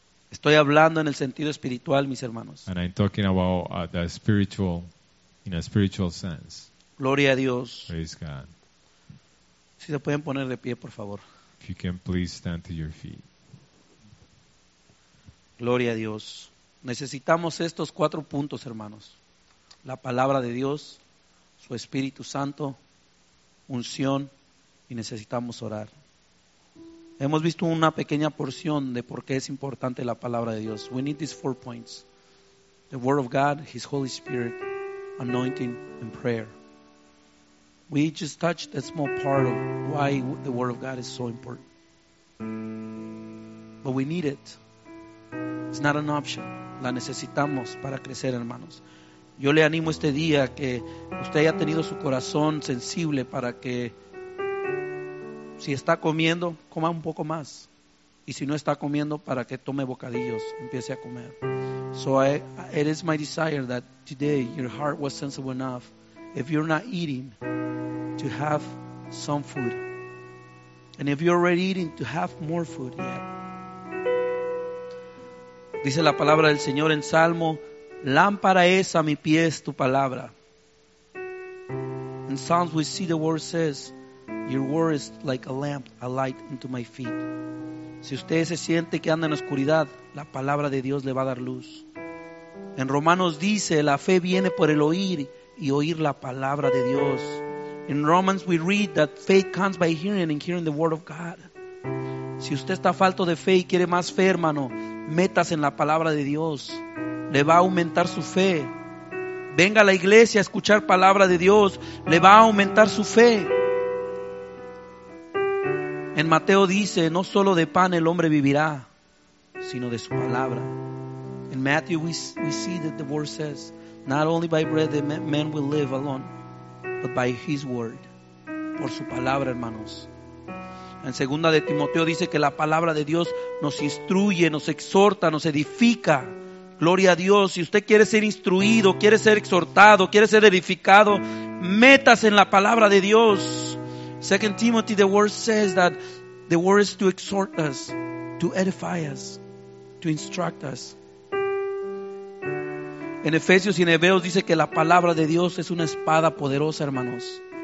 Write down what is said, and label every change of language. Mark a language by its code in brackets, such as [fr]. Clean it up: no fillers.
[es] Estoy hablando en el sentido espiritual, mis hermanos. [en] And I'm talking about the spiritual, in a spiritual sense. [es] Gloria a Dios. [en] Praise God. [es] Si se pueden poner de pie, por favor. [en] If you can please stand to your feet. [es] Gloria a Dios. Necesitamos estos cuatro puntos, hermanos. La palabra de Dios, su Espíritu Santo, unción, y necesitamos orar. Hemos visto una pequeña porción de por qué es importante la palabra de Dios. [en] We need these four points. The Word of God, His Holy Spirit, anointing, and prayer. We just touched a small part of why the Word of God is so important. But we need it. It's not an option. [es] La necesitamos para crecer, hermanos. Yo le animo este día que usted haya tenido su corazón sensible para que si está comiendo, coma un poco más. Y si no está comiendo, para que tome bocadillos, empiece a comer. [en] So it is my desire that today your heart was sensible enough, if you're not eating, to have some food. And if you're already eating, to have more food yet. [es] Dice la palabra del Señor en Salmo, lámpara es a mi pies tu palabra. [en] In Psalms we see the word says, your word is like a lamp, a light unto my feet. [es] Si usted se siente que anda en oscuridad, la palabra de Dios le va a dar luz. En Romanos dice, la fe viene por el oír y oír la palabra de Dios. [en] In Romans we read that faith comes by hearing and hearing the word of God. [es] Si usted está falto de fe y quiere más fe, hermano, metas en la palabra de Dios, le va a aumentar su fe. Venga a la iglesia a escuchar palabra de Dios, le va a aumentar su fe. En Mateo dice, no solo de pan el hombre vivirá, sino de su palabra. [en] In Matthew we see that the word says, not only by bread the man will live alone, but by his word. [es] Por su palabra, hermanos. En segunda de Timoteo dice que la palabra de Dios nos instruye, nos exhorta, nos edifica. Gloria a Dios. Si usted quiere ser instruido, quiere ser exhortado, quiere ser edificado, métase en la palabra de Dios. [en] Second Timothy, the word says that the word is to exhort us, to edify us, to instruct us. [es] En Efesios y en Hebreos dice que la palabra de Dios es una espada poderosa, hermanos.